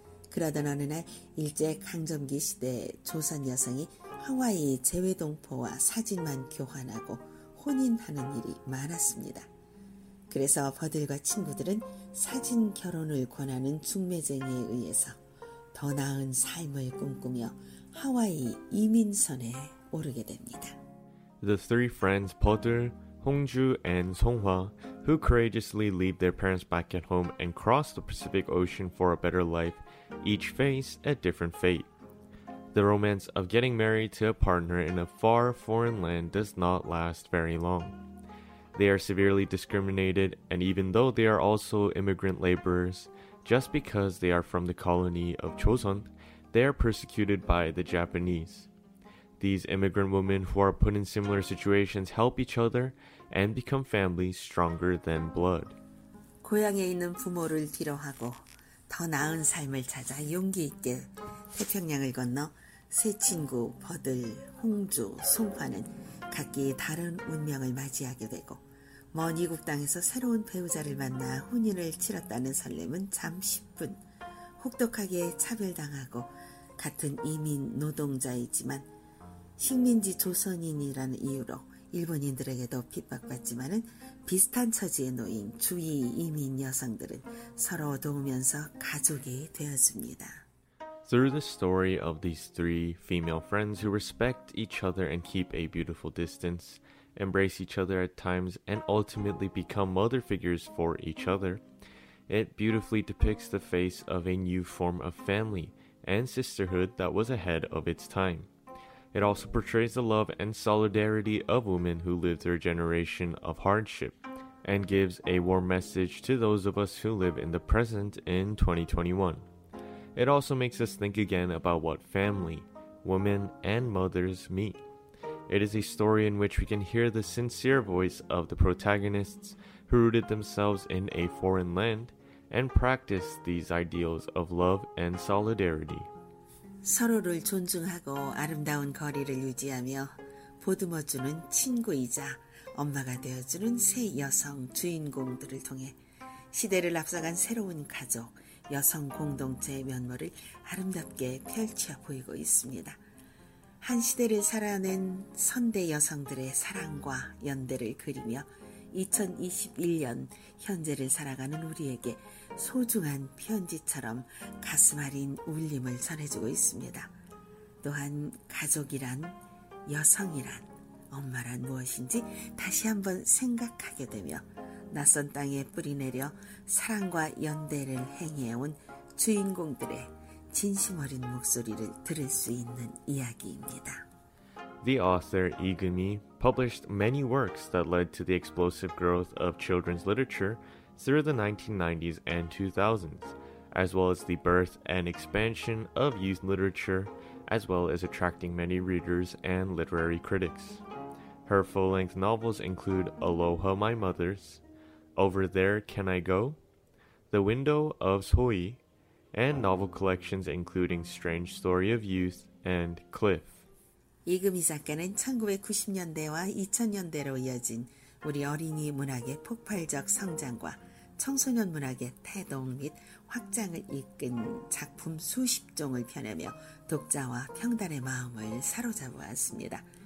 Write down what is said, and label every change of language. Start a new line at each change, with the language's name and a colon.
Korean: 그러던 어느 날 일제강점기 시대 조선 여성이 하와이 재외동포와 사진만 교환하고 혼인하는 일이 많았습니다. 그래서 버들과 친구들은 사진 결혼을 권하는 중매쟁이에 의해서 더 나은 삶을 꿈꾸며 하와이 이민선에 오르게 됩니다.
English: The three friends, 버들, 홍주, and 송화, who courageously leave their parents back at home and cross the Pacific Ocean for a better life, each face a different fate. The romance of getting married to a partner in a far foreign land does not last very long. They are severely discriminated, and even though they are also immigrant laborers, just because they are from the colony of Joseon, they are persecuted by the Japanese. These immigrant women who are put in similar situations help each other and become family stronger than blood.
Korean: 고향에 있는 부모를 뒤로하고 더 나은 삶을 찾아 용기 있게 태평양을 건너 세 친구 버들, 홍주, 송화는 각기 다른 운명을 맞이하게 되고 먼 이국 땅에서 새로운 배우자를 만나 혼인을 치렀다는 설렘은 잠시뿐 혹독하게 차별당하고 같은 이민 노동자이지만 식민지 조선인이라는 이유로 일본인들에게도 핍박받지만은 비슷한 처지에 놓인 주위 이민 여성들은 서로 도우면서 가족이 되어줍니다.
English: Through the story of these three female friends who respect each other and keep a beautiful distance, embrace each other at times, and ultimately become mother figures for each other, it beautifully depicts the face of a new form of family and sisterhood that was ahead of its time. It also portrays the love and solidarity of women who lived through a generation of hardship and gives a warm message to those of us who live in the present in 2021. It also makes us think again about what family, women, and mothers mean. It is a story in which we can hear the sincere voice of the protagonists who rooted themselves in a foreign land and practiced these ideals of love and solidarity.
Korean: 서로를 존중하고 아름다운 거리를 유지하며 보듬어주는 친구이자 엄마가 되어주는 새 여성 주인공들을 통해 시대를 앞서간 새로운 가족, 여성 공동체의 면모를 아름답게 펼쳐 보이고 있습니다. 한 시대를 살아낸 선대 여성들의 사랑과 연대를 그리며 2021년 현재를 살아가는 우리에게 소중한 편지처럼 가슴 아린 울림을 전해주고 있습니다. 또한 가족이란, 여성이란, 엄마란 무엇인지 다시 한번 생각하게 되며 낯선 땅에 뿌리 내려 사랑과 연대를 행해온 주인공들의 진심 어린 목소리를 들을 수 있는 이야기입니다.
English: The author Igumi published many works that led to the explosive growth of children's literature through the 1990s and 2000s, as well as the birth and expansion of youth literature, as well as attracting many readers and literary critics. Her full-length novels include Aloha My Mothers, Over There Can I Go, The Window of Soi, and novel collections including Strange Story of Youth and Cliff.
Korean: 이금희 작가는 1990년대와 2000년대로 이어진 우리 어린이 문학의 폭발적 성장과 청소년 문학의 태동 및 확장을 이끈 작품 수십 종을 펴내며 독자와 평단의 마음을 사로잡아왔습니다.